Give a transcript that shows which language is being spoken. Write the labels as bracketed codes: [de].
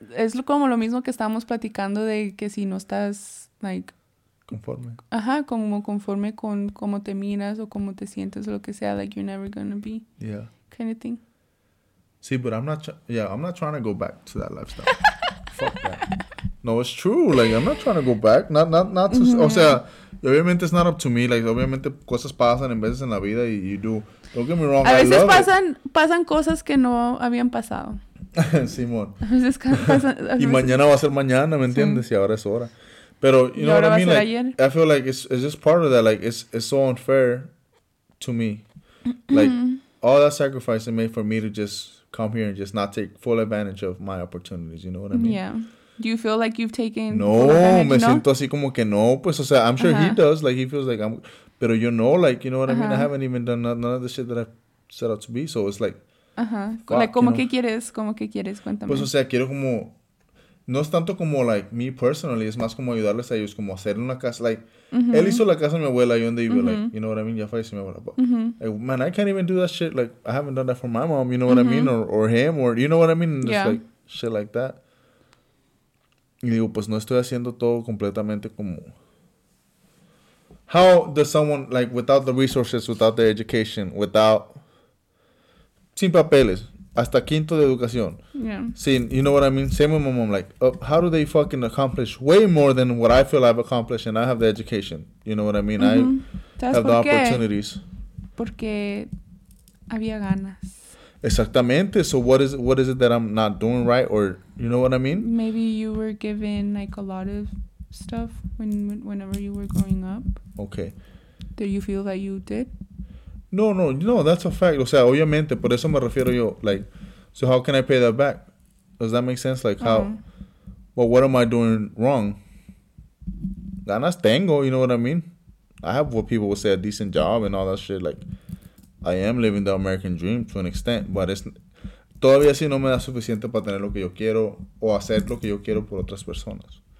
[es] Es como lo mismo que estábamos platicando de que si no estás, like... Conforme. Ajá, como conforme con cómo te miras o cómo te sientes o lo que sea. [en] Like, you're never gonna be. Yeah. Kind of thing. Sí, but I'm not trying to go back to that lifestyle. Fuck that. No, it's true. Like, I'm not trying to go back. Not to... [es] O sea... Y obviamente [en] it's not up to me, [es] like, obviamente cosas pasan en veces en la vida y [en] you do, don't get me wrong, [es] a veces pasan cosas que no habían pasado. Simón. A veces pasan, y mañana va a ser mañana, ¿me entiendes? Y ahora es hora. [en] Pero, you know what I mean? Like, I feel like it's just part of that. Like, it's so unfair to me. Like, all that sacrifice they made for me to just come here and just not take full advantage of my opportunities. You know what I mean? Yeah. Do you feel like you've taken [es] no, me siento así como que no. Pues, o sea, [en] I'm sure he does. Like, he feels like I'm... Pero you know, like, you know what I mean? I haven't even done none of the shit that I've set out to be. So, it's like... [es] Fuck, like, ¿cómo que quieres? ¿Cómo que quieres? Cuéntame. Pues, o sea, quiero como... No es tanto como, like, [en] me personally. [es] Es más como ayudarles a ellos. Como hacer una casa. Like, él hizo la casa de mi abuela. Yo donde vive, like, [en] you know what I mean? [es] Ya falleció mi abuela. [en] But, like, man, I can't even do that shit. Like, I haven't done that for my mom. You know what I mean? Or him. Or, you know what I mean? Just, like, shit like that. [es] Y digo, pues, no estoy haciendo todo completamente como... [en] How does someone, like, without the resources, without the education, without... [es] Sin papeles. Hasta quinto de educación. [en] Yeah. Sin, you know what I mean? Same with my mom. Like, how do they fucking accomplish way more than what I feel I've accomplished and I have the education? You know what I mean? Mm-hmm. I have the opportunities. [es] Porque había ganas. Exactamente. [en] So what is it that I'm not doing right? Or, you know what I mean? Maybe you were given, like, a lot of... stuff whenever you were growing up. Okay. Do you feel that you did? No, that's a fact. [es] O sea, obviamente, por eso me refiero yo. [en] Like, so how can I pay that back? Does that make sense? Like, how? Well, what am I doing wrong? [es] Ganas tengo, [en] you know what I mean? I have what people would say a decent job and all that shit. Like, I am living the American dream to an extent, but it's. [es] Todavía sí no me da suficiente para tener lo que yo quiero o hacer lo que yo quiero por otras personas.